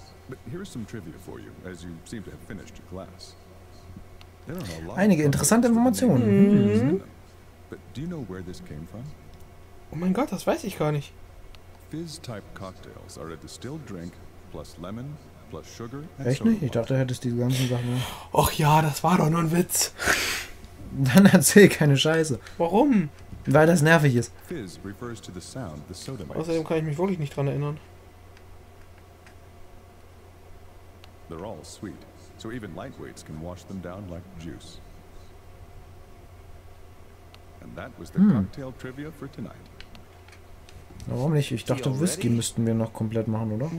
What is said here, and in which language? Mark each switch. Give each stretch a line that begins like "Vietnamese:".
English: But here is some trivia for you, as you seem to have finished your class.
German: Einige interessante Informationen. Oh mein Gott, das weiß ich gar nicht.
English: Fizz-type cocktails are a distilled drink plus lemon plus sugar.
German: Echt nicht? Ich dachte, du hättest diese ganzen Sachen. Ach ja, das war doch nur ein Witz. Dann erzähl keine Scheiße. Warum? Weil das nervig ist. Außerdem kann ich mich wirklich nicht dran erinnern.
English: They're all sweet, so even lightweights can wash them down like juice. And that was the cocktail trivia for tonight.
German: Warum nicht? Ich dachte, Whisky müssten wir noch komplett machen, oder?